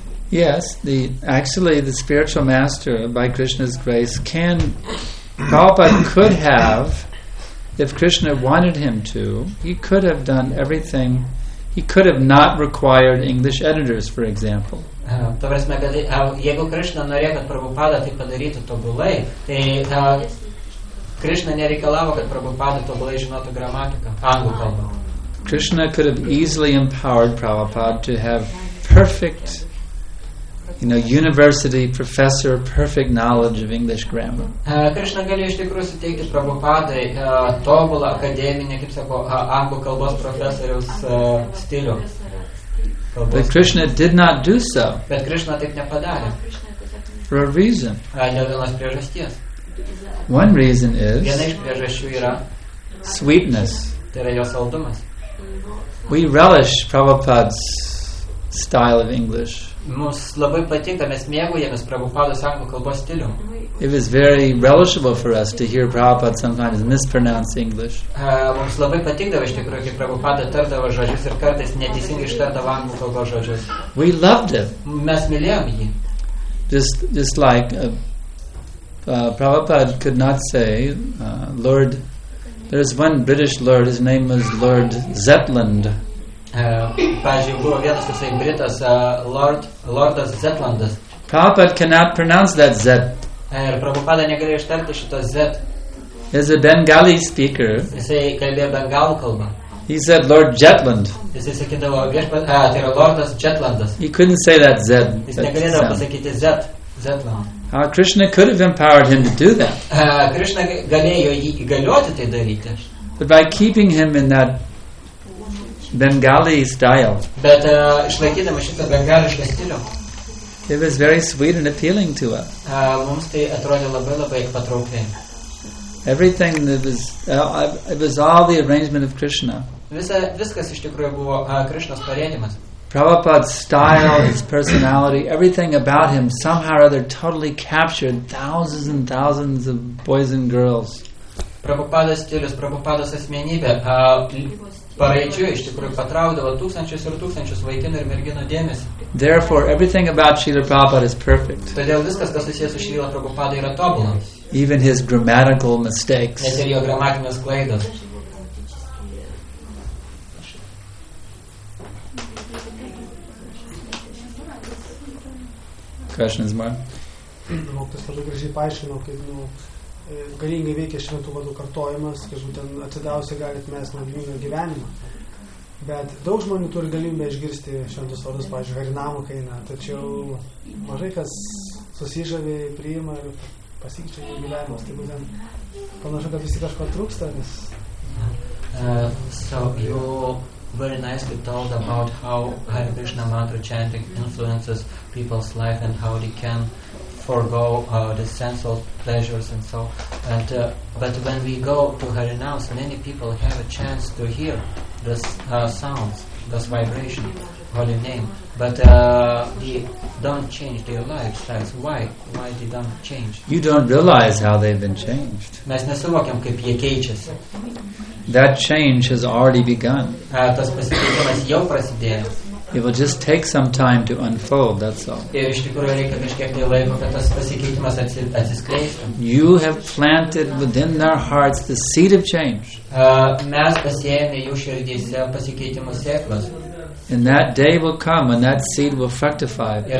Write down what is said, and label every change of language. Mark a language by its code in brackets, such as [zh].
[en] Yes, the spiritual master, by Krishna's grace, can. Prabhupada could have, if Krishna wanted him to, he could have done everything. He could have not required English editors, for example. [lt] Krishna nereikalavo, kad Prabhupada tobulai žinotų gramatiką, anglų kalbą. [en] Krishna could have easily empowered Prabhupada to have perfect, you know, university professor, perfect knowledge of English grammar. [lt] Krishna galėjo iš tikrųjų suteikti Prabhupadai tobulą akademinį, kaip sako, anglų kalbos profesoriaus stilių. [en] But Krishna did not do so. [lt] Bet Krishna taip nepadarė. [en] For a reason. [lt] Dėl vienos priežasties. [en] One reason is [lt] viena iš priežasčių yra [en] sweetness. [lt] Tai yra jo saldumas. [en] We relish Prabhupada's style of English. [lt] Mums labai patinka, mes mėgaujamės Prabhupados anglų kalbos stilių. [en] It is very relishable for us to hear Prabhupada sometimes mispronounce English. [lt] Mums labai patikdavo iš tikrųjų, kaip Prabhupada tardavo žodžius ir kartais neteisingai ištardavo anglų kalbos žodžius. [en] We loved it. [lt] Mes mylėjom jį. [en] Just like Prabhupada could not say Lord, there is one British Lord, his name was Lord Zetland. [lt] Pavyzdžiui, buvo vienas toksai Britas Lordas Zetlandas. [en] Prabhupada cannot pronounce that Z. [lt] Ir Prabhupada negalėjo ištarti šito Z. [en] He's a Bengali speaker. [lt] Jisai kalbėjo bengalų kalbą. [en] He said Lord Jetland. [lt] Jisai sakydavo, tai yra Lordas Jetlandas. [en] He couldn't say that Z. [lt] Jis negalėdavo pasakyti Z. [en] Zetland. Krishna could have empowered him to do that. [lt] Krishna galėjo jį įgalioti tai daryti. [en] But by keeping him in that Bengali style. [lt] Bet išlaikydama šitą bengališką stilių. [en] It was very sweet and appealing to us. [lt] Mums tai atrodė labai labai patraukliai. [en] Everything that was it was all the arrangement of Krishna. [lt] Viskas iš tikrųjų buvo Krishnas parengimas. [en] Prabhupada's style, his personality, everything about him somehow or other totally captured thousands and thousands of boys and girls. [lt] Prabhupada stilius, Prabhupada asmenybė, paraidžiui iš tikrųjų patraudavo tūkstančius ir tūkstančius vaikinų ir merginų dėmesį. [en] Therefore, everything about Srila Prabhupada is perfect. [lt] Todėl viskas, kas susijęs su Srila Prabhupada, yra tobula. [en] Even his grammatical mistakes. [lt] Net ir jo gramatinės klaidos. [en] Questions, man? [lt] Mokytas labai gražiai paaiškino, kaip galingai veikia šventų vadų kartojimas, kai būtent atsidavusiai galit mes nuodėmingą gyvenimą. Bet daug žmonių turi galimybę išgirsti šventus vardus, pavyzdžiui, Harinamo kainą, tačiau mažai kas susižavė, priima ir pasikeičia jų gyvenimas. Tai būtent panašu, kad visi kažko trūksta, nes... [en] So, you very nicely told about how Hare Krishna mantra chanting influences people's life and how they can forego the sensual pleasures and so. And but when we go to Harinams, many people have a chance to hear those sounds, those vibration, holy name. But they don't change their lifestyles. Why? Why they don't change? You don't realize how they've been changed. [lt] Mes nesuvokiam, kaip jie keičiasi. [en] That change has already begun. [lt] Tas pasikeitimas jau prasidėjo. [en] It will just take some time to unfold, that's all. You have planted within their hearts the seed of change. And that day will come and that seed will fructify.